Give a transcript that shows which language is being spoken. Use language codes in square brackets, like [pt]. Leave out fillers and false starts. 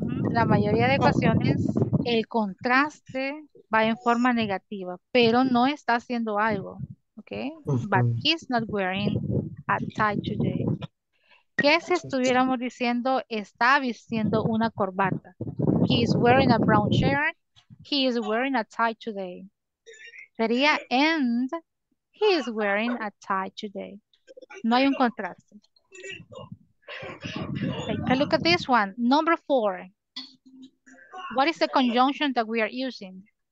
[es] La mayoría de ocasiones el contraste va en forma negativa, pero no está haciendo algo. [en] Okay, but he's not wearing a tie today. [es] ¿Qué si estuviéramos diciendo está vistiendo una corbata? [en] He is wearing a brown shirt. He is wearing a tie today. [es] Sería [en] and he is wearing a tie today. [es] No hay un contraste. [en] Take a look at this one. Number four. What is the conjunction that we are using?